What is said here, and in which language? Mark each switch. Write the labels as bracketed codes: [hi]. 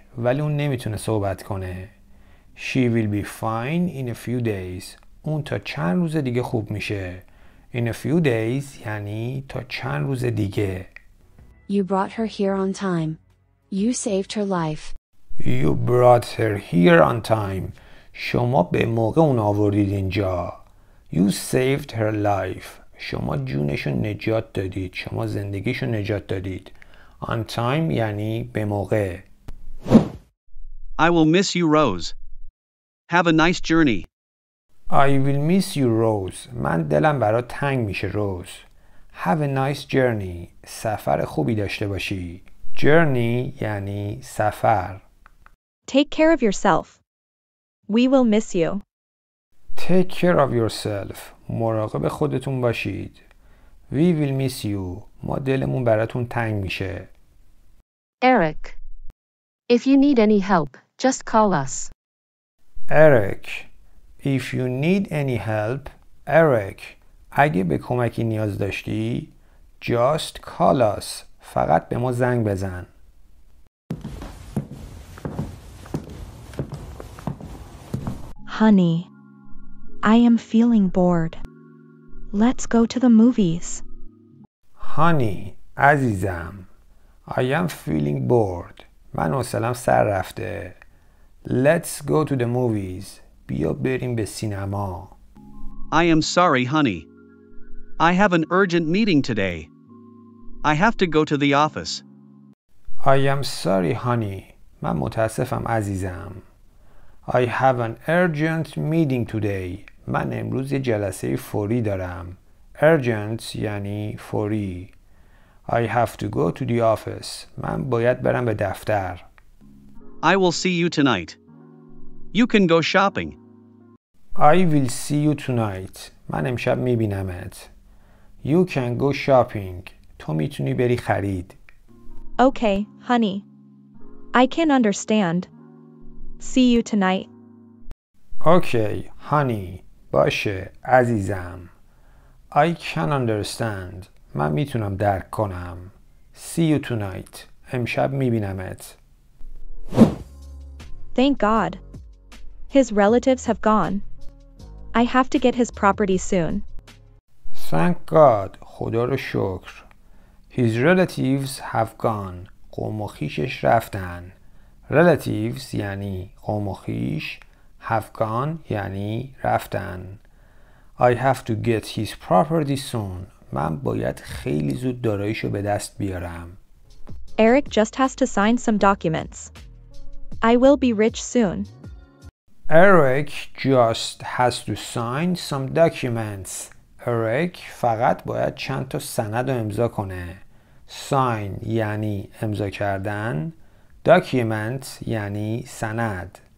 [fa] ولی اون نمیتونه صحبت کنه. [en] She will be fine in a few days. [fa] اون تا چند روز دیگه خوب میشه. [en] In a few days [fa] یعنی تا چند روز دیگه. [en] You brought her here on time. You saved her life. You brought her here on time. [fa] شما به موقع اون آوردید اینجا. [en] You saved her life. [fa] شما جونشو نجات دادید. شما زندگیشو نجات دادید. [en] On time [fa] یعنی به موقع. [en] I will miss you, Rose. Have a nice journey. I will miss you, Rose. [fa] من دلم برات تنگ میشه, Rose. [en] Have a nice journey. [fa] سفر خوبی داشته باشی. Journey یعنی سفر. [en] Take care of yourself. We will miss you. Take care of yourself. [fa] مراقب خودتون باشید. [en] We will miss you. [fa] ما دلمون براتون تنگ میشه. [en] Eric, if you need any help, just call us. Eric, if you need any help, Eric, [fa] اگه به کمکی نیاز داشتی, [en] just call us. [fa] فقط به ما زنگ بزن. [en] Honey, I am feeling bored. Let's go to the movies. Honey, عزیزم, I am feeling bored. [fa] من حوصله‌ام سر رفته. [en] Let's go to the movies. [fa] بیا بریم به سینما. [en] I am sorry, honey. I have an urgent meeting today. I have to go to the office. I am sorry, honey. [fa] من متاسفم عزیزم. [en] I have an urgent meeting today. [fa] من امروز یه جلسه فوری دارم. urgent یعنی فوری. [en] I have to go to the office. [fa] من باید برم به دفتر. [en] I will see you tonight. You can go shopping. I will see you tonight. [fa] من امشب میبینمت. [en] You can go shopping. [fa] تو میتونی بری خرید. [en] Okay, honey. I can understand. See you tonight. Okay, honey. [fa] باشه عزیزم. [en] I can understand. [fa] من میتونم درک کنم. [en] See you tonight. [fa] امشب میبینمت. [en] Thank God. His relatives have gone. I have to get his property soon. Thank God. [fa] خدا رو شکر. [en] His relatives have gone. [fa] قوم و خویشش رفتن. Relatives یعنی قوم و خویش. [en] Have gone یعنی رفتن. I have to get his property soon. [fa] من باید خیلی زود داراییشو به دست بیارم. [en] Eric just has to sign some documents. I will be rich soon. Eric just has to sign some documents. [fa] Eric فقط باید چند تا سند رو امضا کنه. Sign یعنی امضا کردن. Documents یعنی سند.